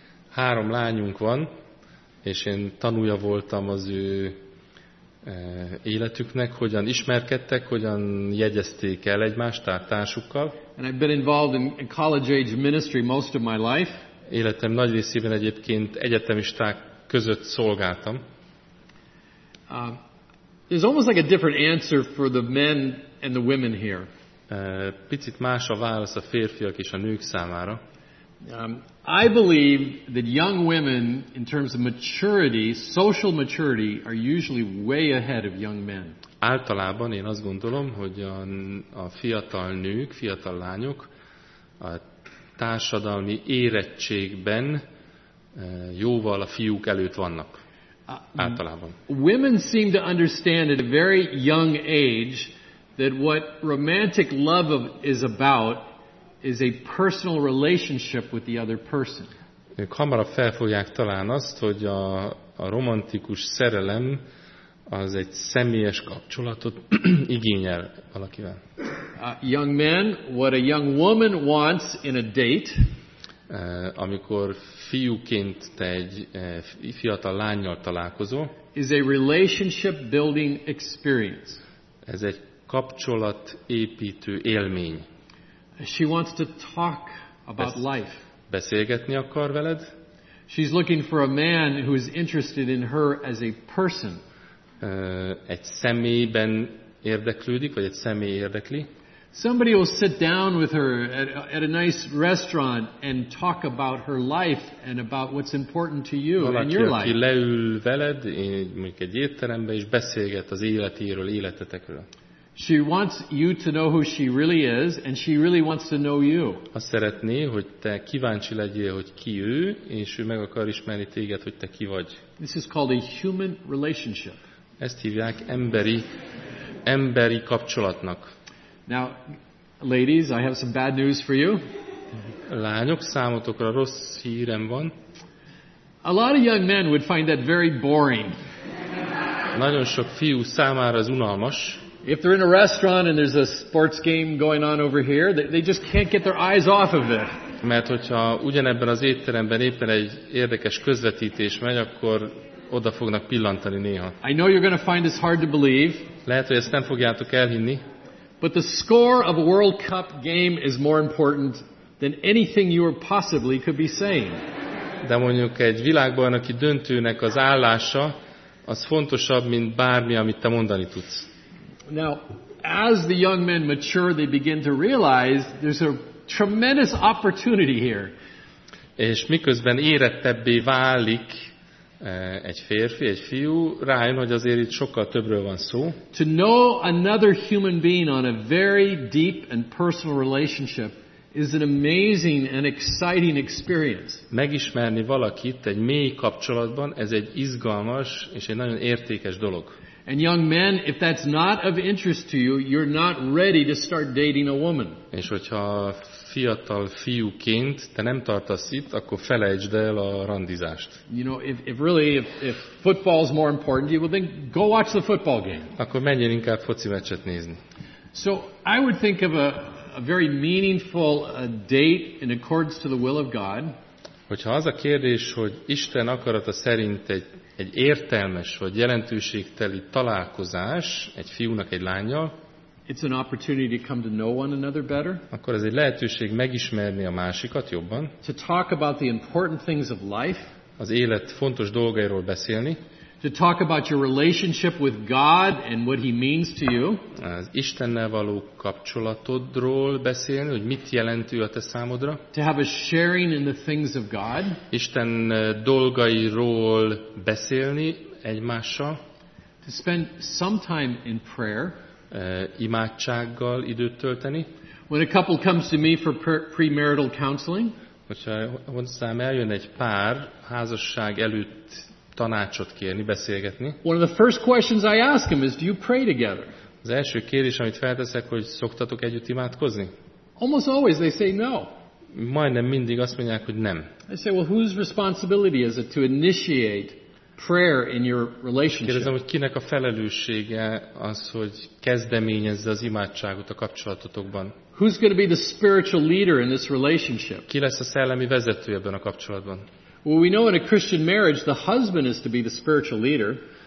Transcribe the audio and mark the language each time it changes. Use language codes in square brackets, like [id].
[hu] 3 lányunk van, és én tanúja voltam az ő életüknek, hogyan ismerkedtek, hogyan jegyezték el egymást társukkal. [en] And I've been involved in college age ministry most of my life. [hu] Életem nagy részében egyébként egyetemisták között szolgáltam. [en] There's almost like a different answer for the men and the women here. [hu] Picit más a válasz a férfiak és a nők számára. [en] I believe that young women, in terms of maturity, social maturity, are usually way ahead of young men. [hu] Általában én azt gondolom, hogy a fiatal nők, fiatal lányok a társadalmi érettségben jóval a fiúk előtt vannak. Általában. [en] Women seem to understand at a very young age that what romantic love is about is a personal relationship with the other person. [hu] Ők hamarabb felfogják talán azt, hogy a romantikus szerelem az egy személyes kapcsolatot igényel valakivel. [en] Young men, what a young woman wants in a date. [hu] Amikor fiúként te egy fiatal lányjal találkozol, [en] is a relationship building experience. [hu] Ez egy kapcsolatépítő élmény. [en] She wants to talk about life. [hu] Beszélgetni akar veled. [en] She's looking for a man who is interested in her as a person. [hu] Egy személyben érdeklődik, vagy egy személy érdekli. [en] Somebody will sit down with her at a nice restaurant and talk about her life and about what's important to you [hu] valaki, [en] and your life. [hu] Valaki leül veled, mondjuk egy étterembe, és beszélget az életéről, életetekről. [en] She wants you to know who she really is, and she really wants to know you. [hu] Azt szeretné, hogy te kíváncsi legyél, hogy ki ő, és ő meg akar ismerni téged, hogy te ki vagy. [en] This is called a human relationship. [hu] Ezt hívják emberi kapcsolatnak. [en] Now, ladies, I have some bad news for you. [hu] Lányok, számotokra rossz hírem van. [en] A lot of young men would find that very boring. [hu] Nagyon sok fiú számára ez unalmas. [en] If they're in a restaurant and there's a sports game going on over here, they just can't get their eyes off of it. [hu] Mert hogyha ugyanebben az étteremben éppen egy érdekes közvetítés megy, akkor oda fognak pillantani néha. [en] I know you're going to find this hard to believe. [hu] Lehet, hogy ezt nem fogjátok elhinni. [en] But the score of a World Cup game is more important than anything you possibly could be saying. [hu] De mondjuk egy világbajnoki döntőnek az állása az fontosabb, mint bármi, amit te mondani tudsz. [en] Now, as the young men mature, they begin to realize there's a tremendous opportunity here. [hu] És miközben érettebbé válik egy férfi, egy fiú, rájön, hogy azért itt sokkal többről van szó. [en] To know another human being on a very deep and personal relationship is an amazing and exciting experience. [hu] Megismerni valakit egy mély kapcsolatban, ez egy izgalmas és egy nagyon értékes dolog. [en] And young men, if that's not of interest to you, you're not ready to start dating a woman. [hu] És hogyha fiatal fiúként te nem tartasz itt, akkor felejtsd el a randizást. [en] You know, if football is more important to you, well then go watch the football game. [hu] Akkor menjél inkább foci meccset nézni. [en] So I would think of a very meaningful date in accordance to the will of God. [hu] Hogyha az a kérdés, hogy Isten akarata szerint egy értelmes vagy jelentőségteli találkozás egy fiúnak egy lányjal. [en] It's an opportunity to come to know one another better. [hu] Akkor ez egy lehetőség megismerni a másikat jobban. [en] To talk about the important things of life. [hu] Az élet fontos dolgairól beszélni. [en] To talk about your relationship with God and what he means to you. [hu] Az Istennel való kapcsolatodról beszélni, hogy mit jelent ő a te számodra. [en] To have a sharing in the things of God. [hu] Isten dolgairól beszélni egymással. [en] To spend some time in prayer. [hu] Imádsággal időt tölteni. [en] When a couple comes to me for premarital counseling. [hu] Hogyha hozzám eljön egy pár házasság előtt tanácsot kérni, beszélgetni. [en] One of the first questions I ask him is, do you pray together? [hu] Az első kérdés, amit felteszek, hogy szoktatok együtt imádkozni? [en] Almost always they say no. [hu] Majdnem mindig azt mondják, hogy nem. [en] I say, well, whose responsibility is it to initiate prayer in your relationship? [hu] Kérdezem, hogy kinek a felelőssége az, hogy kezdeményezze az imádságot a kapcsolatotokban? [en] Who's going to be the spiritual leader in this relationship? [hu] Ki lesz a szellemi vezető ebben a kapcsolatban? [en] Well, we know in a Christian marriage the husband is to be the spiritual leader.